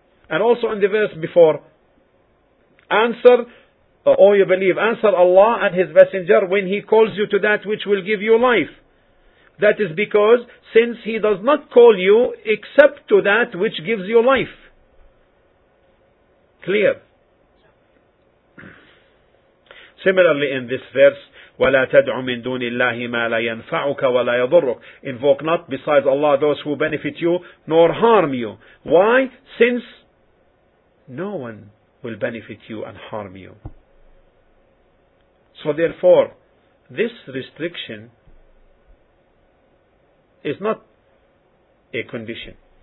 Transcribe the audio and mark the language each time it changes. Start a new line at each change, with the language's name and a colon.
English: And also in the verse before, answer Allah and his messenger when he calls you to that which will give you life. That is because, since he does not call you except to that which gives you life. Clear. Similarly, in this verse,
Arabic: وَلَا تَدْعُ مِن دُونِ اللَّهِ مَا لَا يَنْفَعُكَ وَلَا يَضُرُّكَ.
English: Invoke not besides Allah those who benefit you nor harm you. Why? Since no one will benefit you and harm you. So therefore, this restriction is not a condition.